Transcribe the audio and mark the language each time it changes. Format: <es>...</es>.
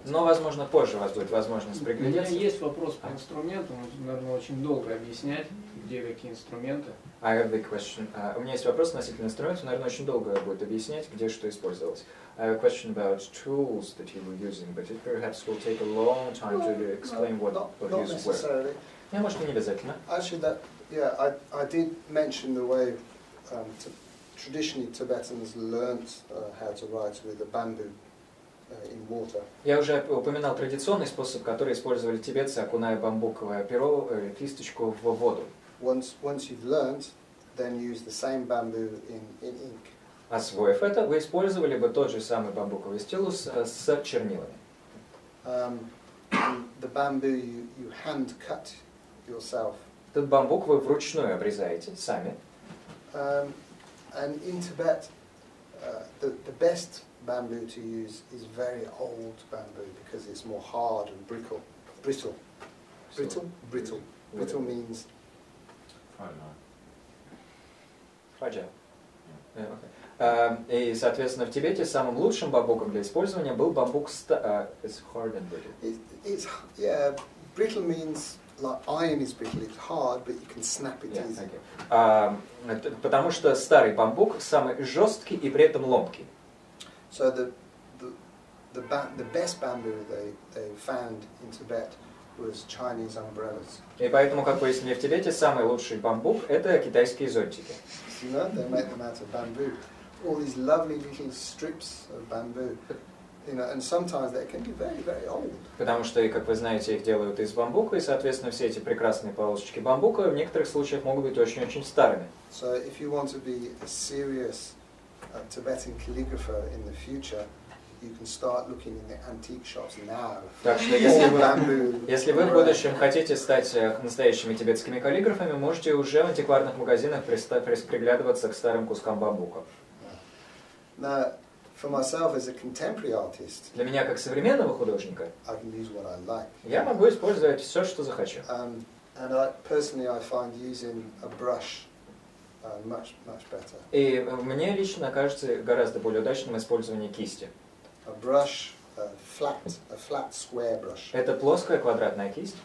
<ru>Но, возможно, позже у вас будет возможность приглядеться. У меня есть вопрос по инструменту. Наверное, очень долго объяснять, где какие инструменты.</ru> <en>I have the question.</en> <ru>У меня есть вопрос относительно инструментов. Наверное, очень долго будет объяснять, где что использовалось.</ru> <en>I have a question about tools that you were using, but it perhaps will take a long time to explain what were used where.</en> <ru>Не, может, не обязательно.</ru> <en>Actually, that, yeah, I did mention the way to... Traditionally, Tibetans learned how to write with a bamboo in water.</en> <ru>Я уже упоминал традиционный способ, который использовали тибетцы, окуная бамбуковое перо или кисточку в воду.</ru> <en>Once you've learned, then use the same bamboo in ink.</en> <ru>Освоив это, вы использовали бы тот же самый бамбуковый стилус с чернилами.</ru> <en>The bamboo you hand cut yourself.</en> <ru>Этот бамбук вы вручную обрезаете сами.</ru> <en>And in Tibet, the best bamboo to use is very old bamboo because it's more hard and brittle. Brittle. Brittle? Brittle. Brittle means... Fragile. Okay.</en> <ru>И, соответственно, в Тибете самым лучшим бамбуком для использования был бамбук...</ru> <en>It's hard and brittle. Brittle means... Like iron is brittle, it's hard, but you can snap it easy. Okay.</en> <ru>Потому что старый бамбук самый жесткий и при этом ломкий.</ru> <en>So the best bamboo they found in Tibet was Chinese umbrellas.</en> <ru>И поэтому, как выяснили в Тибете, самый лучший бамбук это китайские зонтики.</ru> <en>You know, they made them out of bamboo. All these lovely little strips of bamboo. You know, and sometimes they can be very, very old.</en> <ru>Потому что, как вы знаете, их делают из бамбука, и, соответственно, все эти прекрасные полосочки бамбука в некоторых случаях могут быть очень-очень старыми.</ru> <en>So if you want to be a serious Tibetan calligrapher in the future, you can start looking in the antique shops now.</en> <ru>Так что если вы в будущем хотите стать настоящими тибетскими каллиграфами, можете уже в антикварных магазинах приглядываться к старым кускам бамбука.</ru> <en>Now, for myself as a contemporary artist.</en> <ru>Для меня как современного художника.</ru> <en>I can use what I like.</en> <ru>Я могу использовать все, что захочу.</ru> <en>And I personally I find using a brush much better.</en> <ru>И мне лично кажется гораздо более удачным использование кисти.</ru> <en>A brush, a flat square brush.</en> <ru>Это плоская квадратная кисть.</ru>